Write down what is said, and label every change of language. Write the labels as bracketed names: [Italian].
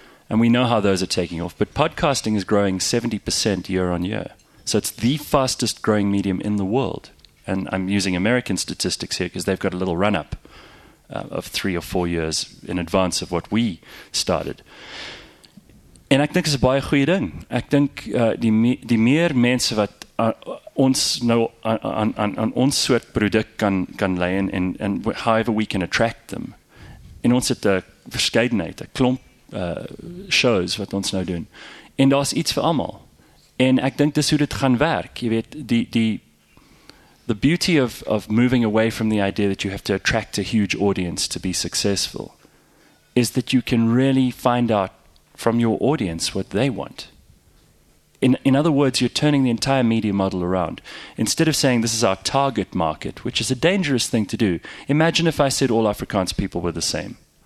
[English] And we know how those are taking off. But podcasting is growing 70% year on year. So it's the fastest growing medium in the world. And I'm using American statistics here because they've got a little run-up of 3 or 4 years in advance of what we started. [Afrikaans] En ek dink is 'n baie goeie ding. Ek dink die meer mense wat ons nou aan ons soort produk kan lei en [English] however we can attract them. [Afrikaans] En ons het 'n verskeidenheid, 'n klomp shows wat ons nou doen. En daar's iets vir almal. En ek dink dis hoe dit gaan werk. Jy weet, [English] the beauty of moving away from the idea that you have to attract a huge audience to be successful is that you can really find out from your audience what they want. In other words, you're turning the entire media model around. Instead of saying this is our target market, which is a dangerous thing to do, imagine if I said all Afrikaans people were the same.